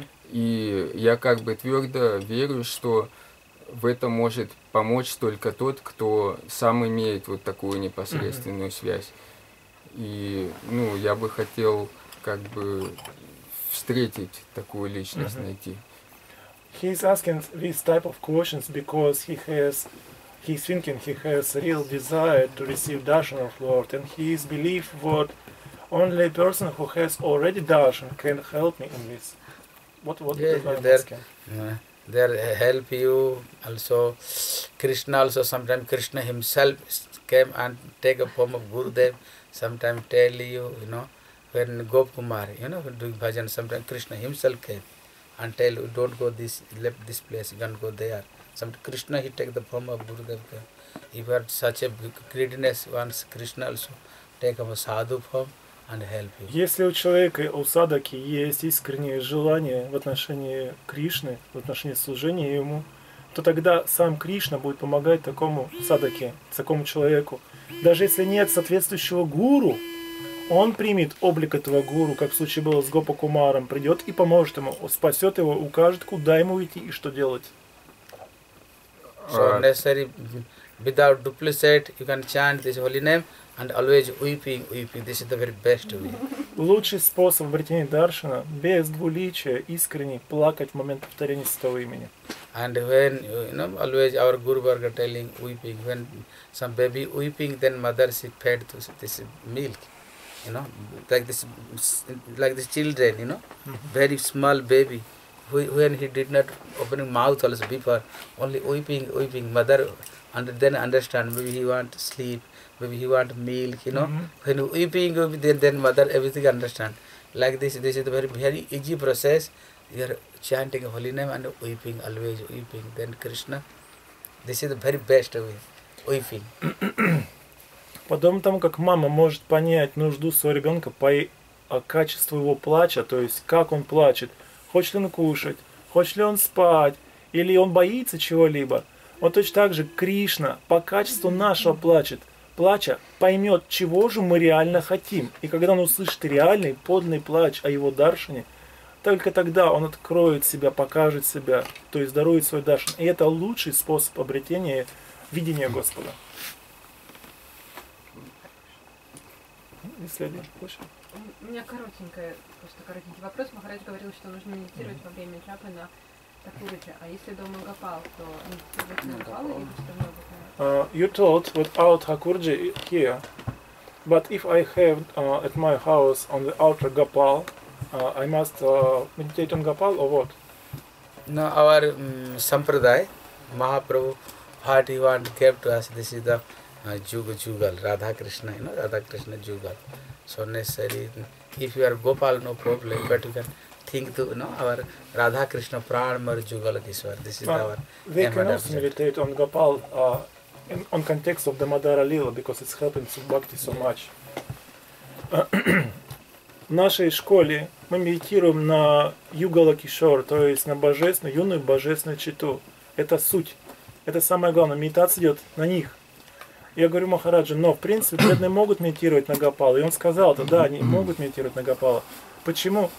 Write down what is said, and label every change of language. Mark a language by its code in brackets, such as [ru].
[ru] И я как бы твердо верю, что в этом может помочь только тот, кто сам имеет вот такую непосредственную связь. И, ну, я бы хотел как бы встретить такую личность, найти. [en] He is asking these type of questions because he has, he's thinking he has real desire to receive darshan of Lord, and he is believe what only person who has already darshan can help me in this. What they help you also. Krishna also sometimes Krishna himself came and take a form of Gurudev. Sometimes tell you, you know, when Gop Kumar, you know, doing bhajan, sometimes Krishna himself came. And tell you, don't go this, left this place, you can't go there. Some Krishna, he take the form of Gurudev. If you have such a greediness, once Krishna also take a sadhu form and help you. [ru] Если у человека, у садаки, есть искреннее желание в отношении Кришны, в отношении служения ему, то тогда сам Кришна будет помогать такому садаке, такому человеку. Даже если нет соответствующего гуру, он примет облик этого гуру, как в случае было с Гопа Кумаром, придет и поможет ему, спасет его, укажет, куда ему идти и что делать. [en] So necessary, without duplicate, you can chant this holy name and always weeping, weeping. This is the very best way. [ru] Лучший способ обретения даршана без двуличия, искренне плакать в момент повторения святого имени. [en] And when, you know, always our Guru Varga telling weeping, when some baby weeping, then mother she fed this milk. You know, like this children, you know, very small baby, when he did not open his mouth also before, only weeping, weeping, mother, and then understand, maybe he want sleep, maybe he want milk, you know, when weeping, then mother everything understand. Like this, this is a very, very easy process, you are chanting holy name and weeping, always weeping, then Krishna, this is the very best way, weeping. [ru] Подобно тому, как мама может понять нужду своего ребенка по качеству его плача, то есть как он плачет, хочет ли он кушать, хочет ли он спать, или он боится чего-либо, вот точно так же Кришна по качеству нашего плачет, плача поймет, чего же мы реально хотим. И когда он услышит реальный, подлинный плач о его даршане, только тогда он откроет себя, покажет себя, то есть дарует свой даршан. И это лучший способ обретения видения Господа. У меня коротенькая, просто коротенький вопрос. Махарадж говорил, что нужно медитировать во время джапы на такурите. А если дома гопал, то медитировать на гопал или все равно гопал? [en] You told without Thakurji here, but if I have at my house on the outer gopal, I must meditate on gopal or what? No, our sampradaya, Mahaprabhu, what he want gave to us, this is the jugal, Radha Krishna, you know, Radha Krishna jugal. So necessary, if you are Gopal, no problem, but you can think to, you know, our Radha Krishna pranamar jugal, this one, this is our... They can also meditate on Gopal in on context of the Madara Lila, because it's helping Subh Bhakti so much. [ru] В нашей школе мы медитируем на Югала Кишор, то есть на божественную, юную божественную читу. Это суть, это самое главное, медитация идет на них. Я говорю Махараджу, но в принципе преданные могут медитировать на Гопала. И он сказал, да, они могут медитировать на Гопала. Почему?